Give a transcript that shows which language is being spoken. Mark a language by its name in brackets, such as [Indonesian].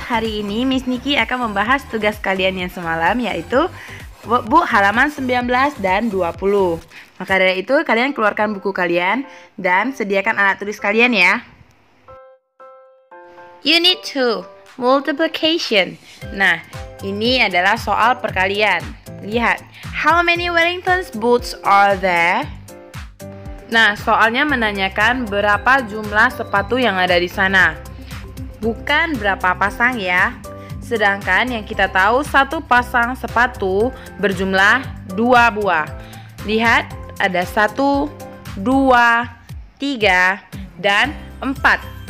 [Indonesian] Hari ini Miss Nikki akan membahas tugas kalian yang semalam, yaitu Bu, halaman 19 dan 20. Maka dari itu kalian keluarkan buku kalian dan sediakan alat tulis kalian ya. Unit 2, multiplication. Nah, ini adalah soal perkalian. [English] Lihat, how many Wellington's boots are there? [Indonesian] Nah, soalnya menanyakan berapa jumlah sepatu yang ada di sana, bukan berapa pasang ya. Sedangkan yang kita tahu satu pasang sepatu berjumlah 2 buah. Lihat, ada 1, 2, 3, dan 4.